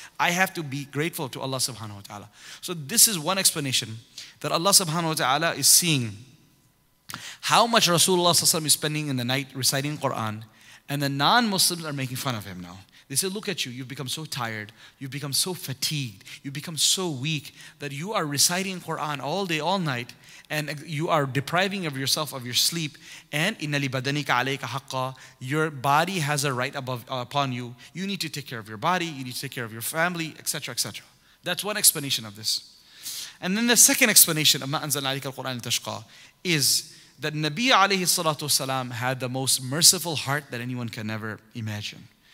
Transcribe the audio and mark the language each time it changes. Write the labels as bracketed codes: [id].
[en] I have to be grateful to Allah subhanahu wa ta'ala. So this is one explanation that Allah subhanahu wa ta'ala is seeing how much Rasulullah sallallahu alaihi wasallam is spending in the night reciting Quran, and the non-Muslims are making fun of him now. They say, look at you, you've become so tired, you've become so fatigued, you've become so weak that you are reciting Quran all day, all night, and you are depriving of yourself of your sleep. And [ar] إِنَّ لِبَدَنِكَ عَلَيْكَ حَقَّ. [en] Your body has a right upon you. You need to take care of your body, you need to take care of your family, etc., etc. That's one explanation of this. And then the second explanation of [ar] مَا أَنزَلْنَا عَلَيْكَ الْقُرْآنِ تَشْقَى [en] is that Nabi alayhi salatu wasalam had the most merciful heart that anyone can ever imagine.